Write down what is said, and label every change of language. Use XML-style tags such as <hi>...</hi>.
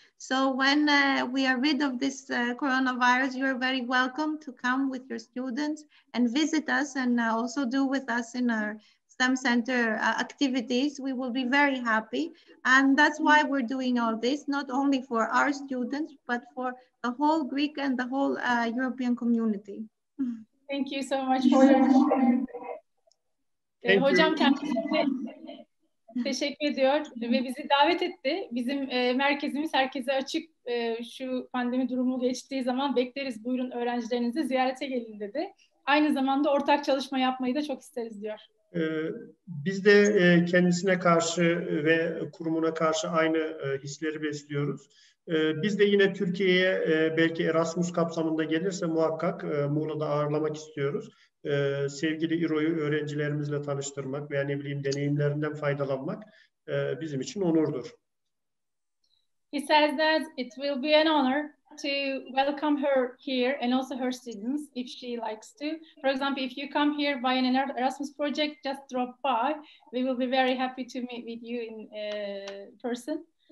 <en>So when we are rid of this coronavirus, you are very welcome to come with your students and visit us and also do with us in our STEM center activities. We will be very happy. And that's why we're doing all this, not only for our students, but for the whole Greek and the whole European community. Thank you so much for your time.</en> <tr>Hocam kendisine teşekkür ediyor ve bizi davet etti. Bizim merkezimiz herkese açık. Şu pandemi durumu geçtiği zaman bekleriz. Buyurun öğrencilerinizi ziyarete gelin dedi. Aynı zamanda ortak çalışma yapmayı da çok isteriz diyor. Biz de kendisine karşı ve kurumuna karşı aynı hisleri besliyoruz. Biz de yine Türkiye'ye belki Erasmus kapsamında gelirse muhakkak Muğla'da ağırlamak istiyoruz. Sevgili İro'yu öğrencilerimizle tanıştırmak veya ne bileyim deneyimlerinden faydalanmak bizim için onurdur.</tr> <en>He says that it will be an honor to welcome her here and also her students if she likes to. For example, if you come here by an Erasmus project, just drop by. We will be very happy to meet with you in person.</en>